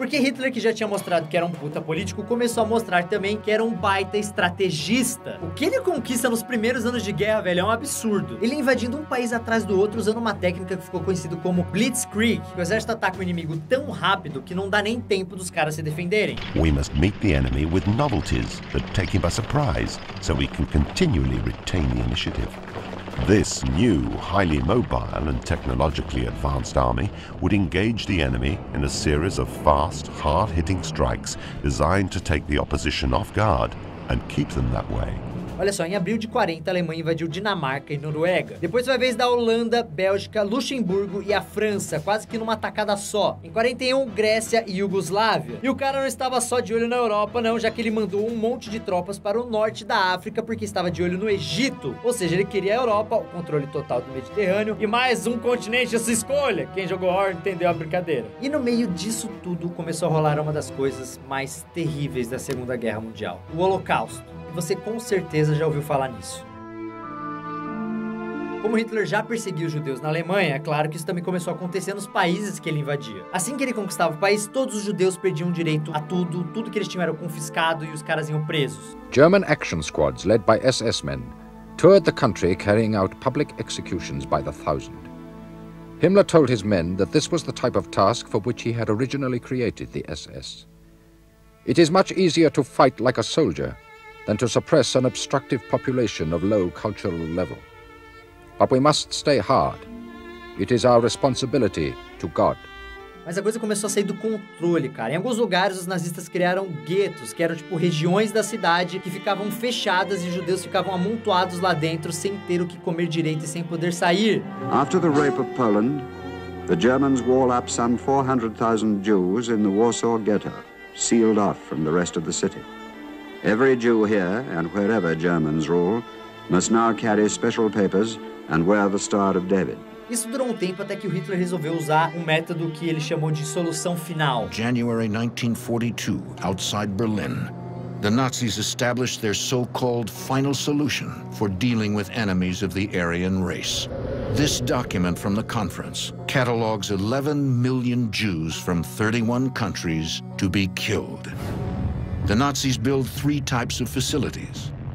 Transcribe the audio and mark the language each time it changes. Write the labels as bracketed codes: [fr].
[pt] Porque Hitler, que já tinha mostrado que era um puta político, começou a mostrar também que era um baita estrategista. O que ele conquista nos primeiros anos de guerra, velho, é um absurdo. Ele invadindo um país atrás do outro, usando uma técnica que ficou conhecida como Blitzkrieg. O exército ataca o inimigo tão rápido que não dá nem tempo dos caras se defenderem. [en] We must meet the enemy with novelties that take him by surprise, so we can continually retain the initiative. This new, highly mobile and technologically advanced army would engage the enemy in a series of fast, hard-hitting strikes designed to take the opposition off guard and keep them that way. [pt] Olha só, em abril de 40, a Alemanha invadiu Dinamarca e Noruega. Depois foi a vez da Holanda, Bélgica, Luxemburgo e a França, quase que numa atacada só. Em 41, Grécia e Iugoslávia. E o cara não estava só de olho na Europa, não, já que ele mandou um monte de tropas para o norte da África porque estava de olho no Egito. Ou seja, ele queria a Europa, o controle total do Mediterrâneo e mais um continente à sua escolha. Quem jogou War entendeu a brincadeira. E no meio disso tudo, começou a rolar uma das coisas mais terríveis da Segunda Guerra Mundial: o Holocausto. Você com certeza já ouviu falar nisso. Como Hitler já perseguiu os judeus na Alemanha, é claro que isso também começou a acontecer nos países que ele invadia. Assim que ele conquistava o país, todos os judeus perdiam direito a tudo, tudo que eles tinham era confiscado e os caras iam presos. [en] German action squads led by SS men toured the country carrying out public executions by the thousand. Himmler told his men that this was the type of task for which he had originally created the SS. It is much easier to fight like a soldier than to suppress an obstructive population of low cultural level. But we must stay hard. It is our responsibility to God. [pt] Mas a coisa começou a sair do controle, cara. Em alguns lugares, os nazistas criaram guetos, que eram tipo regiões da cidade que ficavam fechadas e os judeus ficavam amontoados lá dentro sem ter o que comer direito e sem poder sair. [en] After the rape of Poland, the Germans wall up some 400,000 Jews in the Warsaw ghetto, sealed off from the rest of the city. Every Jew here and wherever Germans rule must now carry special papers and wear the Star of David. [pt] Isso durou um tempo até que o Hitler resolveu usar um método que ele chamou de solução final. [en] January 1942, outside Berlin, the Nazis established their so-called final solution for dealing with enemies of the Aryan race. This document from the conference catalogues 11 million Jews from 31 countries to be killed. The Nazis build 3 types of facilities.